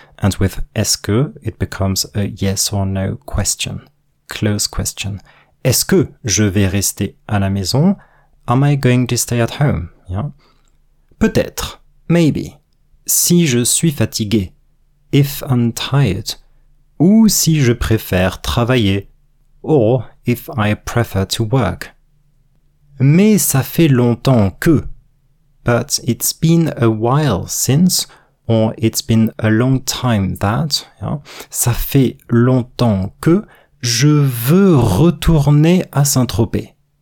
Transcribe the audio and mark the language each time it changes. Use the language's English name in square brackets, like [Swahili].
[English] And with est-ce que, it becomes a yes or no question. Close question. [French] Est-ce que je vais rester à la maison? [English] Am I going to stay at home? Yeah? [French] Peut-être. [English] Maybe. [French] Si je suis fatigué. [English] If I'm tired. [French] Ou si je préfère travailler. [English] Or if I prefer to work. [French] Mais ça fait longtemps que... [English] But it's been a while since, or it's been a long time that, yeah. [French] Ça fait longtemps que je veux retourner à Saint-Tropez.